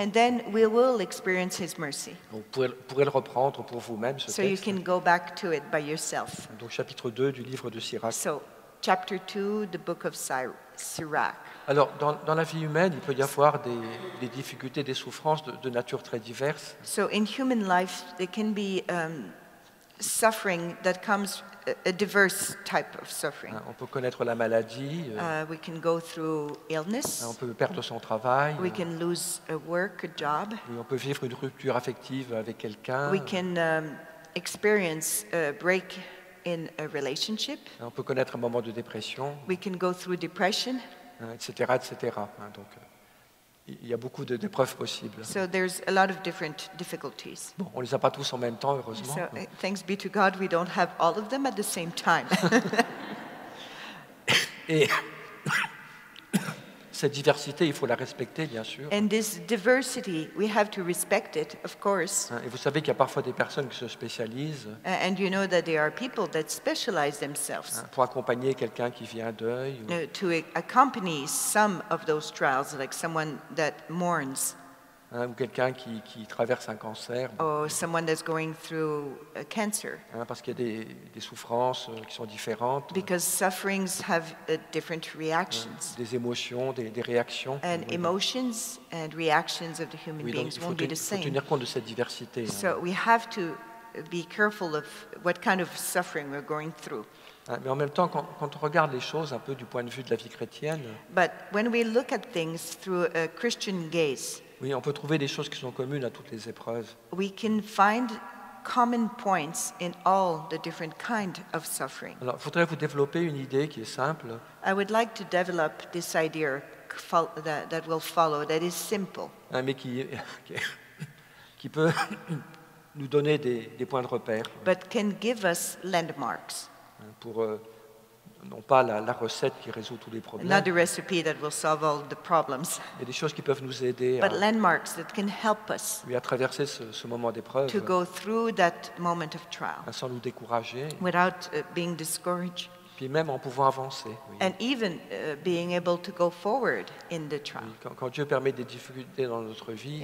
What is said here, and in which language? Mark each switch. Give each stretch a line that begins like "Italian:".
English: And then we will experience his mercy.
French: Donc, vous pourrez le reprendre pour vous-même, ce texte.
English: So you can go back to it by yourself.
French: Donc, chapitre 2 du livre de Sirac.
English: So, chapter 2, the book of Sirac.
French: Alors, dans la vie humaine, il peut y avoir des difficultés, des souffrances de nature très diverses.
English: So, in human life, there can be suffering that comes a diverse type of suffering.
French: On peut connaître la maladie.
English: We can go through illness.
French: On peut perdre son travail.
English: We can lose a work, a job.
French: On peut vivre une rupture affective avec quelqu'un.
English: We can experience a break in a relationship.
French: On peut connaître un moment de dépression.
English: We can go through depression.
French: Etc., etc. Donc, il y a beaucoup d'épreuves possibles.
English: So there's a lot of different difficulties.
French: Bon, on les a pas tous en même temps, heureusement.
English: So, thanks be to God, we don't have all of them at the same time.
French: Et cette diversité, il faut la respecter, bien sûr.
English: And this diversity, we have to respect it, of course.
French: Et vous savez qu'il y a parfois des personnes qui se spécialisent.
English: And you know that there are people that specialize themselves.
French: Pour accompagner quelqu'un qui vit un deuil.
English: To accompany some of those trials, like someone that mourns.
French: Ou quelqu'un qui traverse un cancer.
English: Or someone that's going through a cancer.
French: Parce qu'il y a des souffrances qui sont différentes.
English: Because sufferings have different reactions.
French: Des émotions, des réactions.
English: And emotions and reactions of the human beings won't be the same.
French: Il faut tenir compte de cette diversité.
English: So we have to be careful of what kind of suffering we're going through.
French: Mais en même temps, quand on regarde les choses un peu du point de vue de la vie chrétienne.
English: But when we look at things through a Christian gaze.
French: Oui, on peut trouver des choses qui sont communes à toutes les épreuves.
English: We can find common points in all the different kind of suffering.
French: Alors, faudrait vous développer une idée qui est simple.
English: I would like to develop this idea that will follow, that is simple.
French: Mais qui peut nous donner des points de repère.
English: But can give us landmarks.
French: Pour non pas la recette qui résout tous les problèmes.
English: Not the recipe that will solve all the problems.
French: Il y a des choses qui peuvent nous aider.
English: But landmarks that can help us.
French: Oui, à traverser ce moment d'épreuve.
English: To go through that moment of trial.
French: Sans nous décourager.
English: Without being discouraged.
French: puis même en pouvant avancer. Oui.
English: And even being able to go forward in the trial.
French: Quand, quand Dieu permet des difficultés dans notre vie.